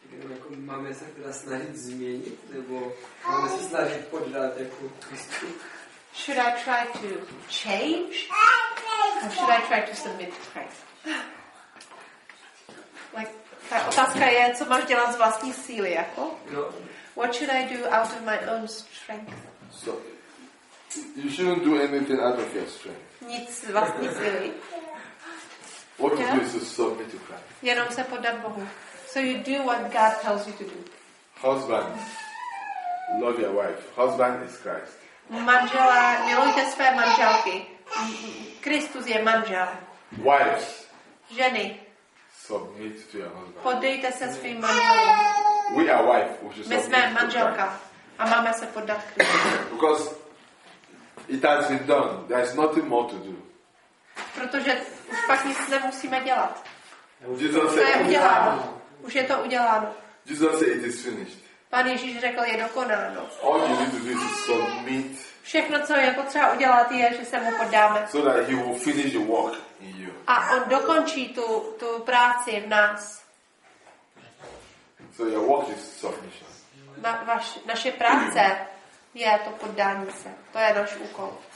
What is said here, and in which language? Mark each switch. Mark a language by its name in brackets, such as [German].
[Czech] Jako máme se teda snažit změnit, nebo máme se snažit poddat jako Kristu? [English] Should I try to change? Or should I try to submit to Christ? [Czech] Like, ta otázka je, co máš dělat z vlastní síly, jako? [English] No. What should I do out of my own strength? So, you shouldn't do anything out of your strength. [Czech] Nic z vlastní síly. [English] What to do is to submit to Christ. [Czech] Jenom se poddat Bohu. [English] So you do what God tells you to do. Husband, love your wife. Husband is Christ. [Czech] Manžela, milujte své manželky. Kristus je manžel. [English] Wives. [Czech] Ženy. [English] Submit to your husband. [Czech] Poddejte se svým manželům. [English] We are wife, which is [Czech] my jsme manželka. A máme se poddat Kristu. [English] Because it has been done. There is nothing more to do. [Czech] Protože už pak nic nemusíme dělat. [English] Jesus [Czech] to je uděláno. Už je to uděláno. [English] Jesus said it is finished. [Czech] Pán Ježíš řekl, je dokonáno. [English] All you need to do is submit. [Czech] Všechno, co je potřeba udělat, je, že se mu poddáme. [English] So that he will finish the work in you. [Czech] A on dokončí tu práci v nás. [English] So your work is submission. [Czech] Naše práce je to poddání se. To je náš úkol.